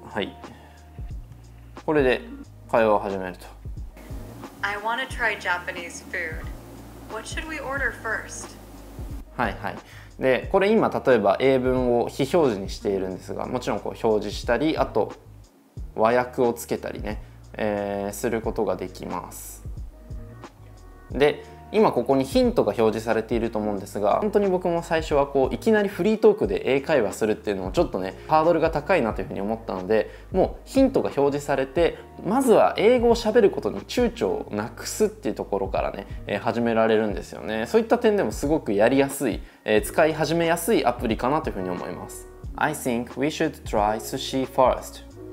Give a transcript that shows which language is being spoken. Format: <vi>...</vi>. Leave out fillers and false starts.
<ja>はい、これで会話を始めると。</ja> <en>I want to try Japanese food. What should we order first? はいはい。</en> <ja>でこれ今例えば英文を非表示にしているんですが、もちろんこう表示したり、あと和訳をつけたりね、することができます。で今ここにヒントが表示されていると思うんですが、本当に僕も最初はこういきなりフリートークで英会話するっていうのもちょっとねハードルが高いなというふうに思ったので、もうヒントが表示されてまずは英語を喋ることに躊躇をなくすっていうところからね、始められるんですよね。そういった点でもすごくやりやすい、使い始めやすいアプリかなというふうに思います。</ja> <en>I think we should try sushi first。</en>